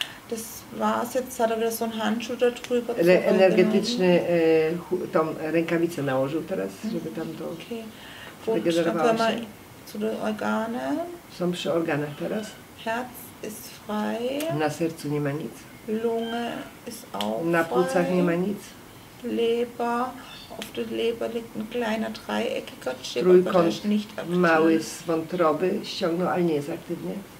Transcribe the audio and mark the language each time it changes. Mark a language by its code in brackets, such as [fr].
[de] Das war's jetzt, hat er wieder so einen Handschuh da drüber. [pl] Energetyczny tą rękawicę nałożył teraz, żeby tam to wygenerowało się. Są przy organach teraz. [de] Herz ist frei. [pl] Na sercu nie ma nic. [de] Lunge ist auch [pl] frei. Na płucach nie ma nic. [de] Leber, auf der Leber liegt ein kleiner dreieckiger Chip, aber der ist nicht aktiv. [pl] Mały z wątroby ściągnął, ale nie jest aktywnie.